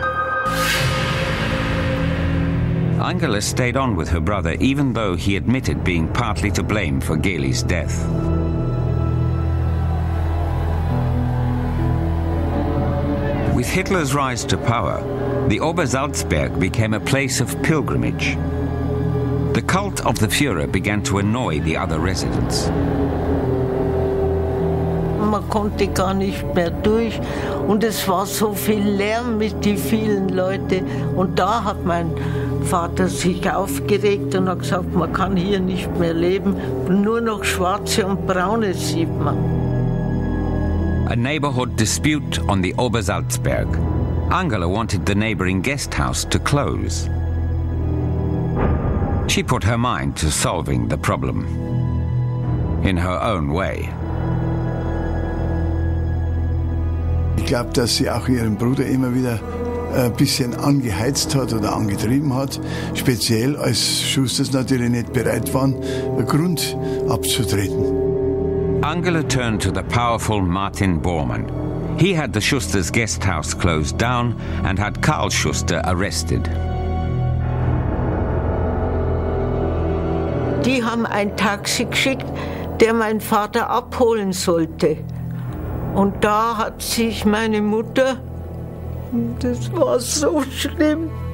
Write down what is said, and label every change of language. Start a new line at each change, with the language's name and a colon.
English: Angela stayed on with her brother, even though he admitted being partly to blame for Gehli's death. With Hitler's rise to power, the Obersalzberg became a place of pilgrimage. The cult of the Führer began to annoy the other residents.
German: Man konnte gar nicht mehr durch und es war so viel Lärm mit die vielen Leute und da hat mein Vater sich aufgeregt und hat gesagt, man kann hier nicht mehr leben, nur noch Schwarze und Braune sieht man.
English: A neighborhood dispute on the Obersalzberg. Angela wanted the neighboring guest house to close. She put her mind to solving the problem in her own way.
German: Ich glaube, dass sie auch ihren Bruder immer wieder ein bisschen angeheizt hat oder angetrieben hat, speziell als Schuster natürlich nicht bereit waren, Grund abzutreten.
English: Angela turned to the powerful Martin Bormann. He had the Schuster's guest house closed down and had Karl Schuster arrested.
German: Die haben ein Taxi geschickt, der mein Vater abholen sollte. Und da hat sich meine Mutter, das war so schlimm.